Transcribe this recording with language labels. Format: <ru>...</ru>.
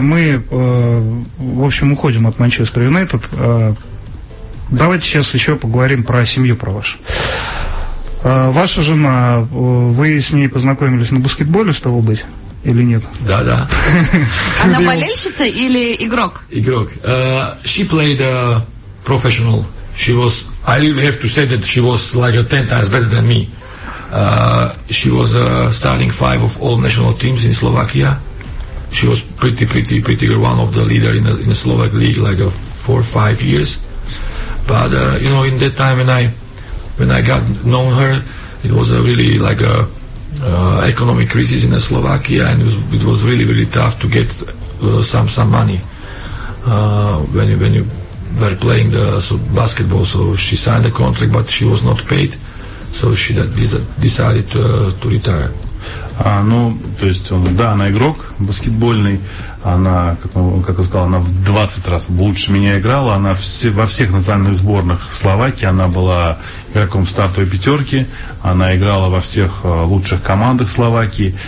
<ru>Мы, в общем, уходим от Манчестер Юнайтед. Давайте сейчас еще поговорим про семью, про вашу. Ваша жена, вы с ней познакомились на баскетболе, стало быть? Или нет? Да, да. Она болельщица или игрок? Игрок.</ru> <en>She played professional. She was, I really have to say that she was like a 10 times better than me. She was starting five of all national teams in Slovakia. She was pretty good, one of the leader in the Slovak league, like a 4-5 years. But, you know, in that time when I got known her, it was really like a economic crisis in Slovakia, and it was really, really tough to get some money when you were playing the basketball. So she signed the contract, but she was not paid, so she decided to retire.</en> <ru>Ну, то есть, да, она игрок баскетбольный, она, как он сказал, она в 20 раз лучше меня играла, она во всех национальных сборных в Словакии, она была игроком стартовой пятерки, она играла во всех лучших командах Словакии.</ru>